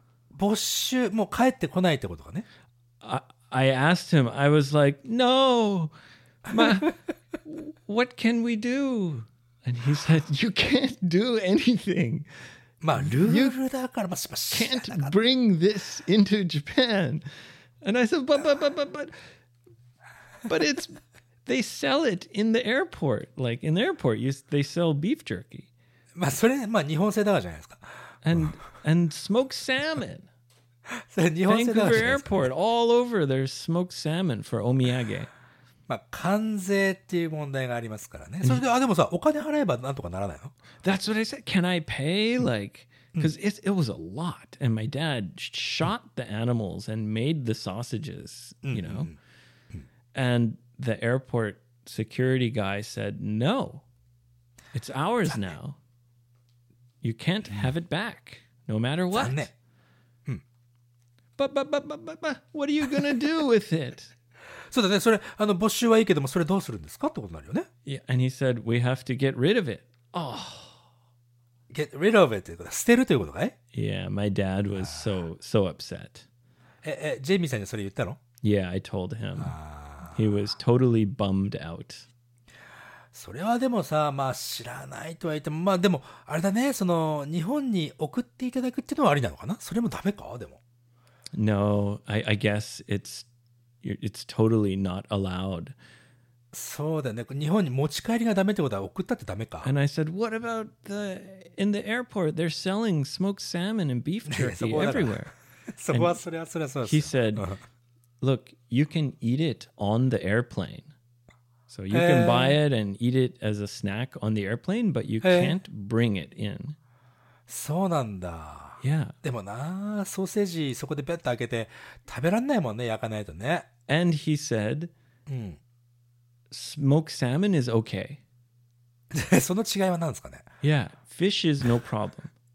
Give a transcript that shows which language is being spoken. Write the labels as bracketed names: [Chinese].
[Japanese] 没収、もう帰ってこないってことかね? [English] I asked him, I was like, no, what can we do? And he said, you can't do anything. [Japanese] まあ、ルールだから、まあ、 [English] You can't bring this into Japan. And I said, but it's, they sell it in the airport. Like, in the airport, they sell beef jerky. [Japanese] まあ、それ、まあ、日本製だからじゃないですか。 [English] And smoked salmon. [Japanese] それ日本製だからじゃないですか。 [English] Vancouver Airport, all over, there's smoked salmon for omiyage. [Japanese] まあ、関税っていう問題がありますからね。それで、あ、でもさ、お金払えばなんとかならないの? [English] That's what I said. Can I pay? Like, because it was a lot. And my dad shot the animals and made the sausages, you know. And the airport security guy said, no, it's ours now. You can't have it back, no matter what. But, what are you going to do with it? [Japanese] そうだね、それ、あの、没収はいいけども、それどうするんですかってことになるよね。 [English] Yeah, and he said, we have to get rid of it. Oh. Get rid of it [Japanese] ってことは、捨てるということかい? [English] Yeah, my dad was so upset. [Japanese] ジェイミーさんにそれ言ったの? [English] Yeah, I told him. He was totally bummed out. [Japanese] それはでもさ、まあ知らないとは言っても、まあでも、あれだね、その、日本に送っていただくっていうのはありなのかな? それもダメか?でも。 [English] No, I guess it's totally not allowed. [Japanese] そうだね。日本に持ち帰りがダメってことは送ったってダメか。 [English] And I said, what about in the airport? They're selling smoked salmon and beef jerky everywhere. [Japanese] そこはそれはそれはそうです。 [English] He said, look, you can eat it on the airplane. So you can buy it and eat it as a snack on the airplane, but you can't bring it in. [Japanese] そうなんだ。 [English] Yeah. [Japanese] でもな、ソーセージそこでペッと開けて食べらんないもんね、焼かないとね。 [English] And he said, smoked salmon is okay. [Japanese] その違いは何ですかね? [English] Yeah, fish is no problem.